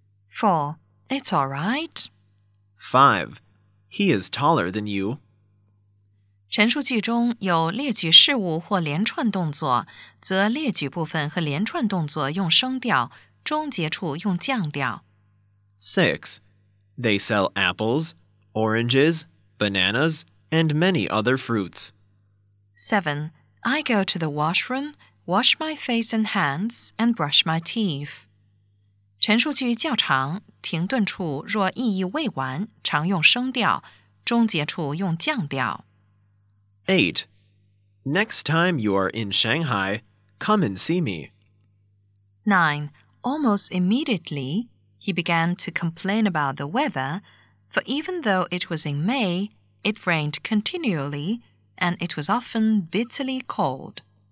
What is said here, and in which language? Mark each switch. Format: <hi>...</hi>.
<en>4. It's all right. 5. He is taller than you.</en> <zh>陈述句中有列举事物或连串动作，则列举部分和连串动作用升调，终结处用降调。</zh> <en>6. They sell apples, oranges, bananas, and many other fruits. 7. I go to the washroom. Wash my face and hands, and brush my teeth.</en> <zh>陈述句较长，停顿处若意义未完，常用升调，终结处用降调。</zh> <en>8. Next time you are in Shanghai, come and see me. 9. Almost immediately, he began to complain about the weather, for even though it was in May, it rained continually, and it was often bitterly cold.</en>